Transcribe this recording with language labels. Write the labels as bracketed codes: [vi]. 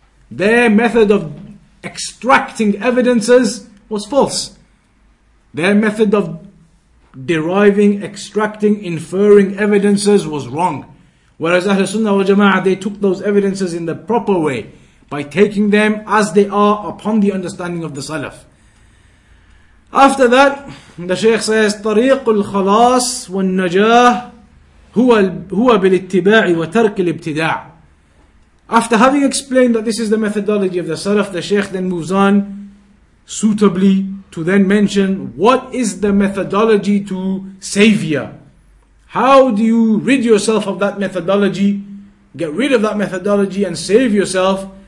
[en] Their method of extracting evidences was false. Their method of deriving, extracting, inferring evidences was wrong. Whereas Ahl Sunnah wal Jama'ah, they took those evidences in the proper way by taking them as they are upon the understanding of the Salaf. After that, the Shaykh says, [ar] طريق الخلاص والنجاة هو بالاتباع وترك الابتداع. [en] After having explained that this is the methodology of the Salaf, the Shaykh then moves on suitably to then mention, what is the methodology to savior? How do you rid yourself of that methodology, get rid of that methodology and save yourself?